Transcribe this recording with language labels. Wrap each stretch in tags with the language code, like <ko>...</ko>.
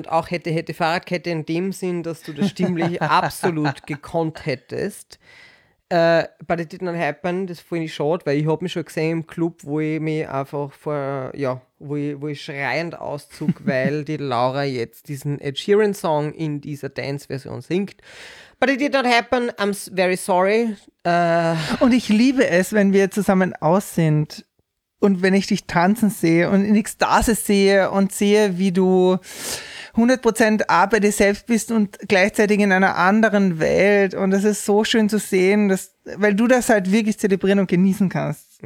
<de>Hätte Fahrradkette in dem Sinn, dass du das stimmlich absolut gekonnt hättest.</de> <en>But it did not happen,</en> <de>das finde ich schade, weil ich habe mich schon gesehen im Club, wo ich mich einfach wo ich schreiend auszog, weil die Laura jetzt diesen Ed Sheeran Song in dieser Dance-Version singt.</de> <en>But it did not happen, I'm very sorry.</en> <de>Und ich liebe es, wenn wir zusammen aus sind und wenn ich dich tanzen sehe und in Ekstase sehe und sehe, wie du 100% A bei dir selbst bist und gleichzeitig in einer anderen Welt. Und das ist so schön zu sehen, weil du das halt wirklich zelebrieren und genießen kannst.</de>